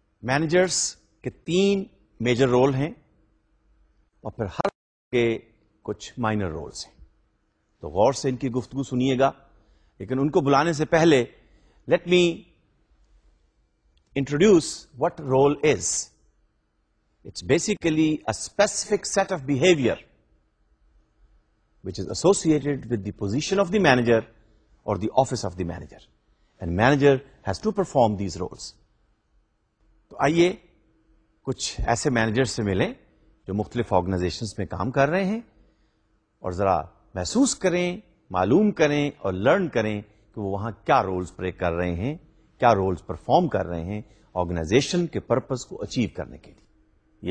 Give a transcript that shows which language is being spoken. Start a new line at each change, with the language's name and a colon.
Urdu: Managers کے تین major role ہیں, اور پھر ہر کے کچھ مائنر رولز ہیں. تو غور سے ان کی گفتگو سنیے گا, لیکن ان کو بلانے سے پہلے
English: Let me introduce what role is. It's basically a specific set of behaviour which is associated with the position of the manager or the office of the manager, and manager has to perform these roles.
Urdu: تو آئیے کچھ ایسے manager سے ملیں جو مختلف organisations میں کام کر رہے ہیں, اور ذرا محسوس کریں, معلوم کریں اور لرن کریں کہ وہ وہاں کیا رولز پلے کر رہے ہیں, کیا رولز پرفارم کر رہے ہیں آرگنائزیشن کے پرپز کو اچیو کرنے کے لیے.